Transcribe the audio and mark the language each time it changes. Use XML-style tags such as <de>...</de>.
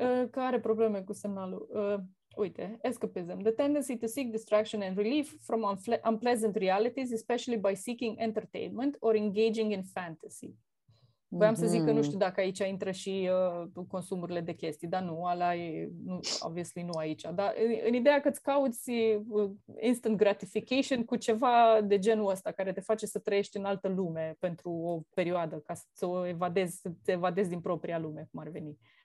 <ro>Că are probleme cu semnalul. Uite, escapism.</ro> <en>The tendency to seek distraction and relief from unpleasant realities, especially by seeking entertainment or engaging in fantasy.</en> <ro>Voiam să zic că nu știu dacă aici intră și consumurile de chestii, dar nu, ala e, nu, obviously nu aici. Dar în ideea că îți cauți instant gratification cu ceva de genul ăsta, care te face să trăiești în altă lume pentru o perioadă, ca să te evadezi din propria lume, cum ar veni.</ro>